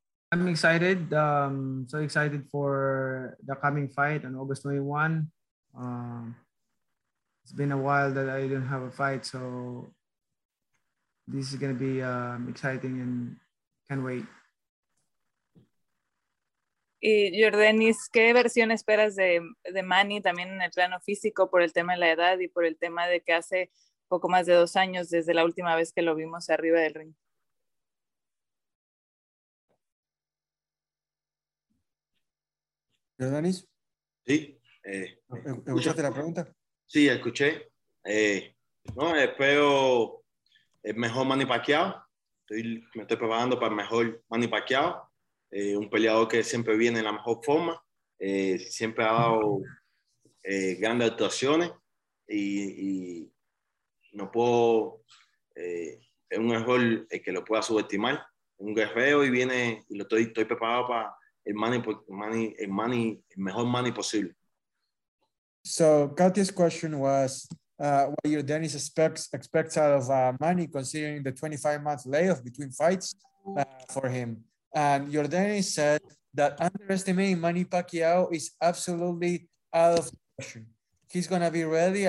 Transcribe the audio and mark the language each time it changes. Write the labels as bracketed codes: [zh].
[en] I'm excited. So excited for the coming fight on August 21. It's been a while that I didn't have a fight. So this is going to be exciting and can't wait. [es] Y Yordenis, ¿qué versión esperas de Manny también en el plano físico por el tema de la edad y por el tema de que hace poco más de dos años desde la última vez que lo vimos arriba del ring? Yordenis? Sí. ¿Escuchaste la pregunta? Sí, escuché. Espero el mejor Manny Pacquiao. Me estoy preparando para el mejor Manny Pacquiao. Un peleador que siempre viene en la mejor forma, siempre ha dado grandes actuaciones y no puedo, es un error el que lo pueda subestimar. Un guerrero y viene, y lo estoy preparado para el mejor Manny posible. [en] So, Katia's question was what your Dennis expects out of Manny considering the 25 month layoff between fights for him. And Yordani said that underestimating Manny Pacquiao is absolutely out of question. He's going to be ready.